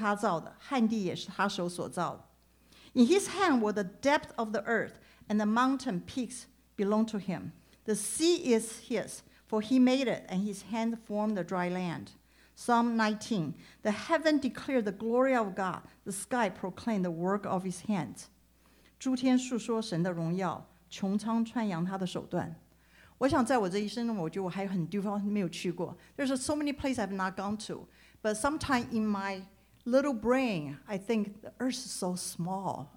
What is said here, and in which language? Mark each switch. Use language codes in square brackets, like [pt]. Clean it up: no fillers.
[zh] 诗篇第95篇第4到5节,地的深处在他手中,山的高峰也属他,海洋属他是他造的,旱地也是他手所造的. [en] In his hand were the depth of the earth, and the mountain peaks belong to him. The sea is his, for he made it, and his hand formed the dry land. Psalm 19, the heaven declared the glory of God, the sky proclaimed the work of his hands. [zh] 诸天述说神的荣耀,穹苍传扬他的手段。我想在我这一生中,我觉得我还有很多地方没有去过. [en] There's so many places I've not gone to, but sometimes in my little brain, I think the earth is so small.